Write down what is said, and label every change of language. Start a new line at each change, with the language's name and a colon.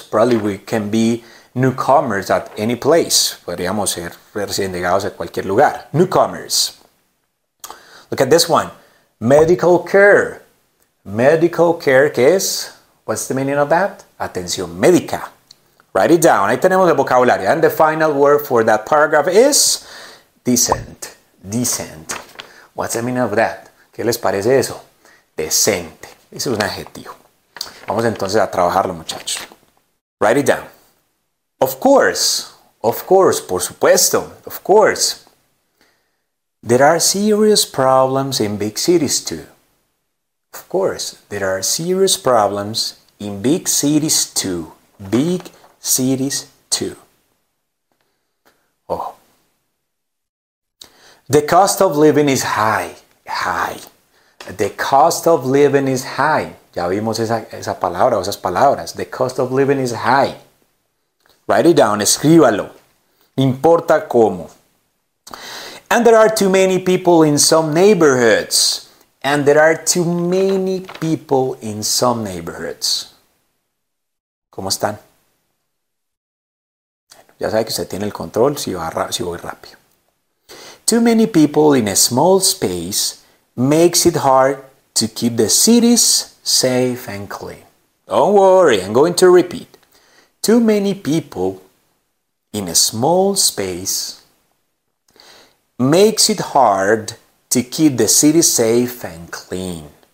English: Probably we can be newcomers at any place.
Spanish: Podríamos ser recién llegados a cualquier lugar.
English: Newcomers. Look at this one. Medical care.
Spanish: Medical care, ¿qué es?
English: What's the meaning of that?
Spanish: Atención médica.
English: Write it down.
Spanish: Ahí tenemos el vocabulario.
English: And the final word for that paragraph is decent. Decent. What's the meaning of that?
Spanish: ¿Qué les parece eso? Decente. Ese es un adjetivo. Vamos entonces a trabajarlo, muchachos.
English: Write it down. Of course. Of course.
Spanish: Por supuesto.
English: Of course. There are serious problems in big cities too. Of course, there are serious problems in big cities too. Big cities too. Oh. The cost of living is high. High. The cost of living is high.
Spanish: Ya vimos esa palabra, esas palabras.
English: The cost of living is high. Write it down,
Spanish: escríbalo. No importa cómo.
English: And there are too many people in some neighborhoods. And there are too many people in some neighborhoods.
Spanish: ¿Cómo están? Ya sabe que usted tiene el control si voy rápido.
English: Too many people in a small space makes it hard to keep the cities safe and clean. Don't worry, I'm going to repeat. Too many people in a small space makes it hard to keep the city safe and clean.